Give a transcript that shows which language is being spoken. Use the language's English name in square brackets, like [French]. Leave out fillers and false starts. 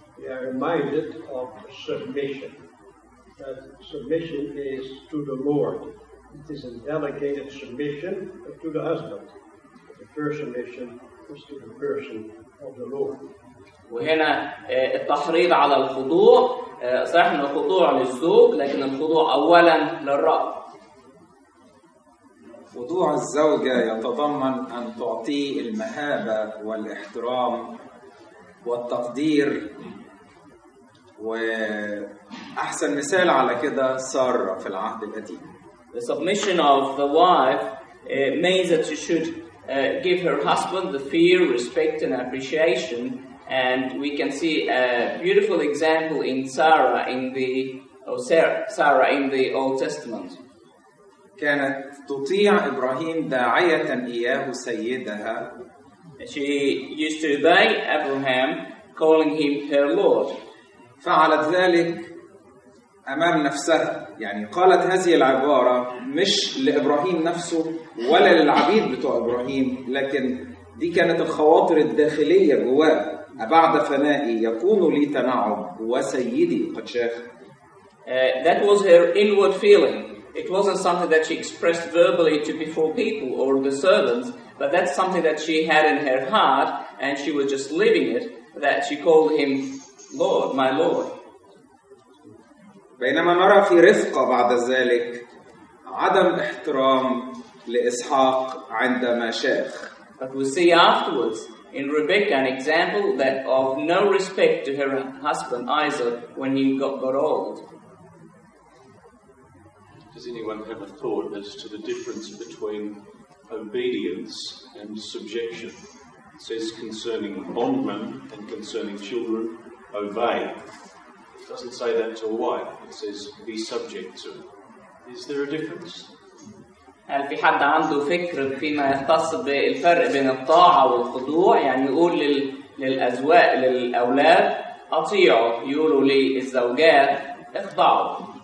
[English] are reminded of submission. That submission is to the Lord. It is a delegated submission to the husband. The first submission is to the person of the Lord. [Arabic] وهنا التحريض على الخضوع صحيح انه خضوع للزوج لكن الخضوع اولا للرب. خضوع الزوجة يتضمن ان تعطيه المهابة والاحترام والتقدير. واحسن مثال على كده سارة في العهد القديم. [English] The submission of the wife means that she should give her husband the fear, respect and appreciation. And we can see a beautiful example in Sarah in the Sarah in the Old Testament. [Arabic] كانت تطيع إبراهيم داعية إياه سيدها. [English] She used to obey Abraham, calling him her Lord. [Arabic] فعلت ذلك أمام نفسها. يعني قالت هذه العبارة مش لإبراهيم نفسه ولا للعبيد بتوع إبراهيم، لكن دي كانت الخواطر الداخلية جواه. أبعد فنائي يكون لي تنعم وسيدي قد شاخ. [English] That was her inward feeling. It wasn't something that she expressed verbally to before people or the servants, but that's something that she had in her heart and she was just living it, that she called him Lord, my Lord. [Arabic] بينما نرى في رفقة بعد ذلك عدم احترام لإسحاق عندما شاخ. [English] But we see afterwards in Rebecca an example that of no respect to her husband Isaac when he got old. Does anyone have a thought as to the difference between obedience and subjection? It says concerning bondmen and concerning children, obey. It doesn't say that to a wife, it says be subject to. Is there a difference? [Arabic] هل في حد عنده فكر فيما يختص بالفرق بين الطاعة والخضوع؟ يعني يقول للأزواج للأولاد أطيعوا، يقولوا للزوجات اخضعوا.